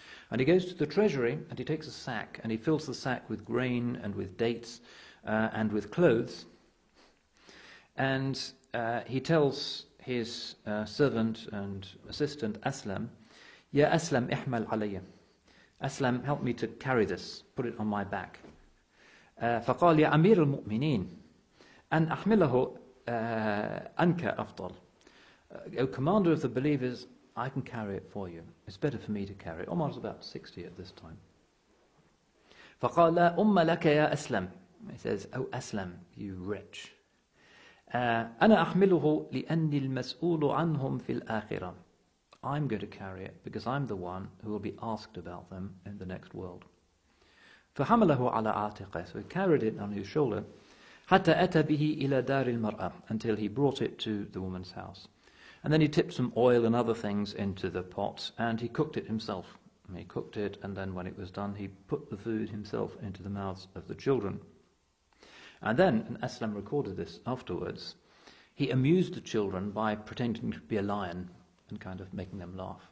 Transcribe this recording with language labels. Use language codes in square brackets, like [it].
[en] And he goes to the treasury and he takes a sack and he fills the sack with grain and with dates and with clothes. And he tells his servant and assistant, Aslam, Ya Aslam, [ar] ihmal alayya. [en] Aslam, help me to carry this, put it on my back. [ar] فقال يا أمير المؤمنين أن أحمله أنك أفضل. [en] O commander of the believers, I can carry it for you. It's better for me to carry it. Umar's about 60 at this time. [ar] فقال لا أم لك يا أسلم. [en] He says, O Aslam, you wretch. [ar] أنا أحمله لأني المسؤول عنهم في الآخرة. [en] I'm going to carry it because I'm the one who will be asked about them in the next world. [ar] فحمله على عاتقه. [en] So he carried it on his shoulder. [ar] حتى أتى به إلى دار المرأة. [en] Until he brought it to the woman's house. And then he tipped some oil and other things into the pot and he cooked it himself. He cooked it and then when it was done, he put the food himself into the mouths of the children. And then, and Aslam recorded this afterwards, he amused the children by pretending to be a lion and kind of making them laugh.